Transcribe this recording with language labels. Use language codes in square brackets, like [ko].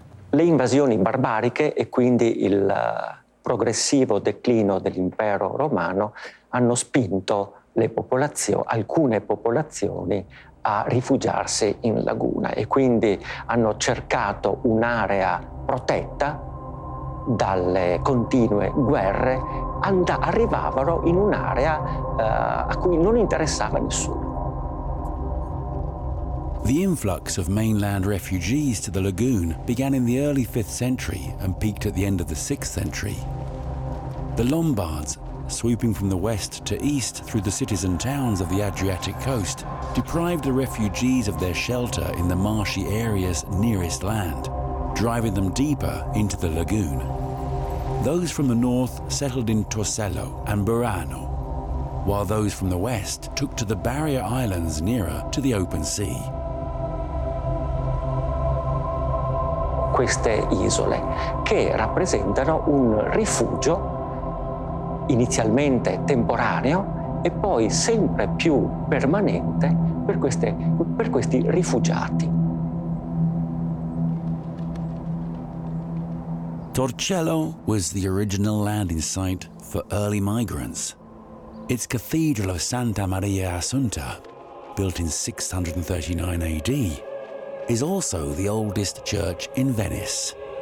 [it] Le invasioni barbariche e quindi il progressivo declino dell'impero romano hanno spinto alcune popolazioni a rifugiarsi in laguna e quindi hanno cercato un'area protetta dalle continue guerre, arrivavano in un'area a cui non interessava nessuno. [en] The influx of mainland refugees to the lagoon began in the early 5th century and peaked at the end of the 6th century. The Lombards, sweeping from the west to east through the cities and towns of the Adriatic coast, deprived the refugees of their shelter in the marshy areas nearest land, driving them deeper into the lagoon. Those from the north settled in Torcello and Burano, while those from the west took to the barrier islands nearer to the open sea. [it] Queste isole che rappresentano un rifugio inizialmente temporaneo e poi sempre più permanente per questi rifugiati. [en] Torcello was the original landing site for early migrants. Its cathedral of Santa Maria Assunta, built in 639 AD, is also the oldest church in Venice.